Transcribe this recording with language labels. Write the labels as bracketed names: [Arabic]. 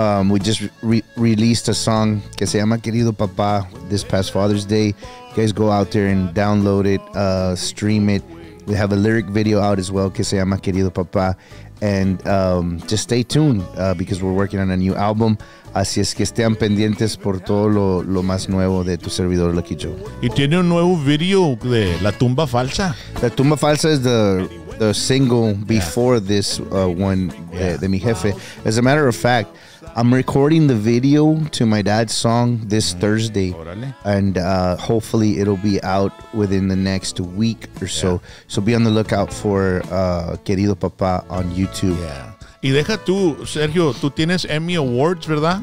[English] We just released a song [Spanish] que se llama [English] Querido Papá this past Father's Day. You guys go out there and download it, stream it. We have a lyric video out as well [Spanish] que se llama [English] Querido Papá. And just stay tuned because we're working on a new album. [Spanish] Así es que estén pendientes por todo lo más nuevo de tu servidor, Lucky Joe. Y tiene un nuevo video de La Tumba Falsa. [English] La Tumba Falsa is the single before this one [Spanish] de mi jefe. [English] As a matter of fact, I'm recording the video to my dad's song this Thursday. [Spanish] Orale. [English] And hopefully it'll be out within the next week or so. Yeah. So be on the lookout for Querido Papá on YouTube. Yeah. [Spanish] Y deja tú, Sergio, tú tienes Emmy Awards, ¿verdad?